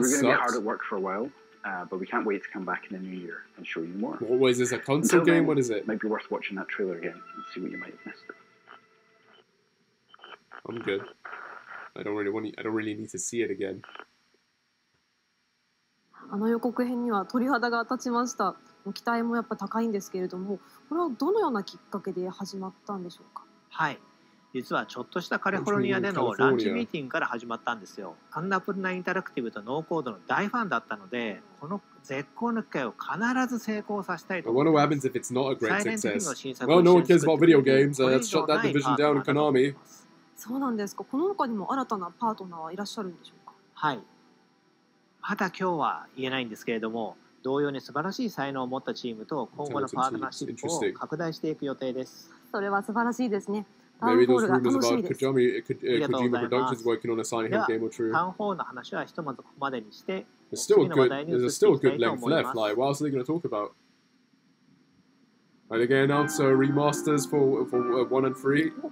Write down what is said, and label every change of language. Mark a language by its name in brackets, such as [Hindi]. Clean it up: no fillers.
[English] we're going to be hard at work for a while, but we can't wait to come back in the new year and show you more. What is this, a console Until game? Then, what is it? Might be worth watching that trailer again and see what you might have missed. I'm good. I don't really need to see it again. [Japanese] あの予告編には鳥肌が立ちました。期待もやっぱ高いんですけれども、これはどのようなきっかけで始まったんでしょうか。はい。実はちょっとしたカリフォルニアでのランチミーティングから始まったんですよ。アンナプルナインタラクティブとノーコードの大ファンだったので、この絶好の機会を必ず成功させたいと思います。 [English] I wonder what happens if it's not a great success. Well, no one cares about video games. Let's shut that division down, Konami. [Japanese] そうなんですか。この他にも新たなパートナーはいらっしゃるんでしょうか。はい。まだ今日は言えないんですけれども、同様に素晴らしい才能を持ったチームと今後のパートナーシップを拡大していく予定です。それは素晴らしいですね。 [English] Maybe those rumors about Kojima Productions working on a Silent Hill game are true. There's still a good length left. Like, what else are they going to talk about? Are they going to announce remasters for 1 and 3?